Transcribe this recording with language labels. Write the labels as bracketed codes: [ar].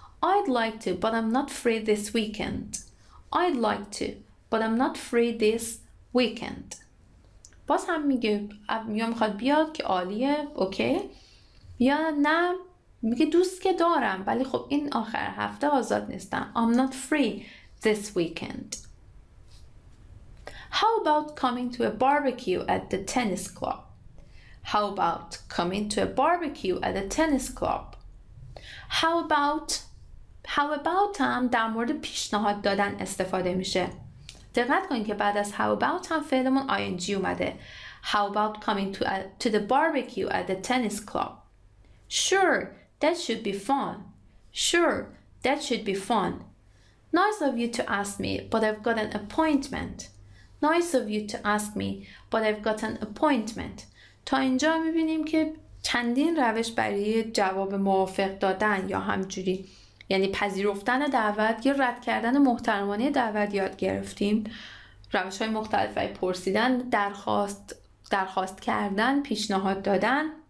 [en] I'd like to, but I'm not free this weekend. I'd like to, but I'm not free this weekend. [fa] باز هم میگه یا میخواد بیاد که عالیه، اوکی، یا نه میگه دوست که دارم ولی خب این آخر هفته آزاد نیستم. [en] I'm not free this weekend. How about coming to a barbecue at the tennis club? How about coming to a barbecue at the tennis club? How about [fa] هم در مورد پیشنهاد دادن استفاده میشه. دقت کنید که بعد از [en] how about [fa] هم فعلمون ing اومده. [en] How about coming to the barbecue at the tennis club? Sure, that should be fun. Sure, that should be fun. Nice of you to ask me, but I've got an appointment. Nice of you to ask me, but I've got an appointment. [fa] تا اینجا میبینیم که چندین روش برای جواب موافق دادن یا همجوری یعنی پذیرفتن دعوت یا رد کردن محترمانه دعوت یاد گرفتیم. روش های مختلف های پرسیدن، درخواست کردن، پیشنهاد دادن.